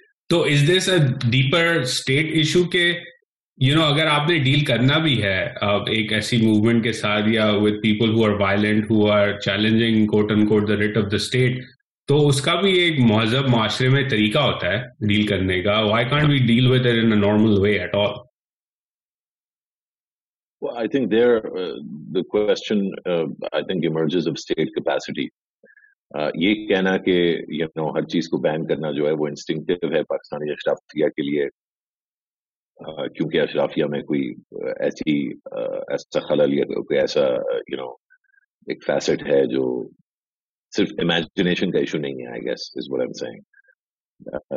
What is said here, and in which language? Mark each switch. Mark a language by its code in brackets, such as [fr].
[hi] तो [en] is this a deeper state issue [hi] के अगर आपने डील करना भी है एक ऐसी मूवमेंट के साथ या [en] with people who are violent who are challenging quote unquote the writ of the state, [hi] तो उसका भी एक महजब माशरे में तरीका होता है डील करने का। [en] Why can't we deal with it in a normal way at all? Well, I think there the question I think emerges of state capacity. [hi] ये कहना कि हर चीज को बैन करना जो है वो इंस्टिंक्टिव है पाकिस्तानी अशराफिया के लिए, क्योंकि अशराफिया में कोई ऐसी ऐसा खलल या कोई ऐसा एक फैसेट है जो सिर्फ इमेजिनेशन का इशू नहीं है, [en] I guess is what I am saying.